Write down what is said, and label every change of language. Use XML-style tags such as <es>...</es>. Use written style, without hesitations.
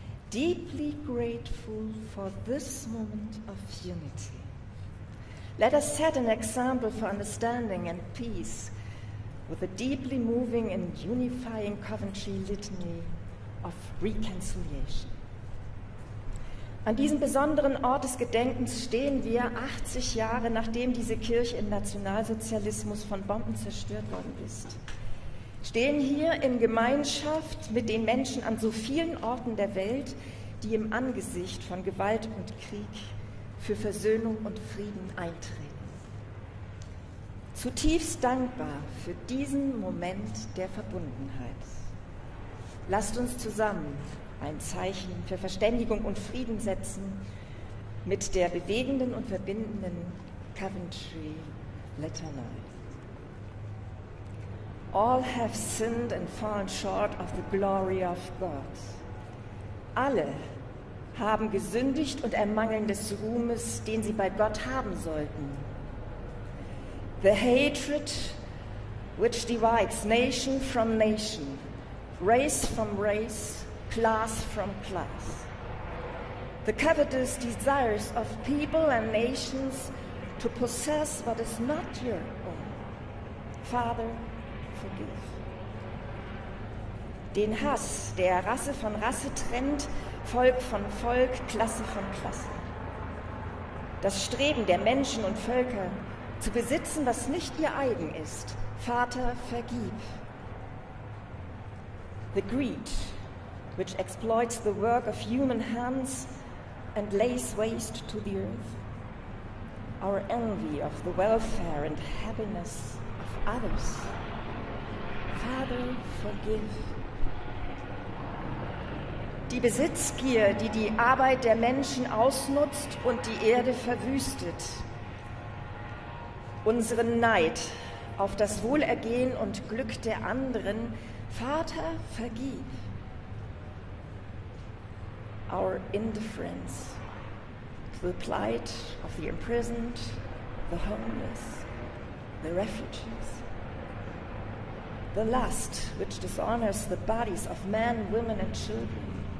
<en>Deeply grateful for this moment of unity, let us set an example for understanding and peace with a deeply moving and unifying Coventry litany of reconciliation.</en> <de>An diesem besonderen Ort des Gedenkens stehen wir 80 Jahre, nachdem diese Kirche im Nationalsozialismus von Bomben zerstört worden ist. Stehen hier in Gemeinschaft mit den Menschen an so vielen Orten der Welt, die im Angesicht von Gewalt und Krieg für Versöhnung und Frieden eintreten. Zutiefst dankbar für diesen Moment der Verbundenheit. Lasst uns zusammen ein Zeichen für Verständigung und Frieden setzen mit der bewegenden und verbindenden Coventry Litany.</de> <en>All have sinned and fallen short of the glory of God.</en> <de>Alle haben gesündigt und ermangeln des Ruhmes, den sie bei Gott haben sollten.</de> <en>The hatred which divides nation from nation, race from race, class from class. The covetous desires of people and nations to possess what is not your own. Father, forgive.</en> <de>Den Hass, der Rasse von Rasse trennt, Volk von Volk, Klasse von Klasse. Das Streben der Menschen und Völker, zu besitzen, was nicht ihr eigen ist. Vater, vergib.</de> <en>The greed, which exploits the work of human hands and lays waste to the earth. Our envy of the welfare and happiness of others. Father, forgive.</en> <de>Die Besitzgier, die die Arbeit der Menschen ausnutzt und die Erde verwüstet. Unseren Neid auf das Wohlergehen und Glück der anderen. Vater, vergib.</de> <en>Our indifference to the plight of the imprisoned, the homeless, the refugees. The lust which dishonors the bodies of men, women and children.</en>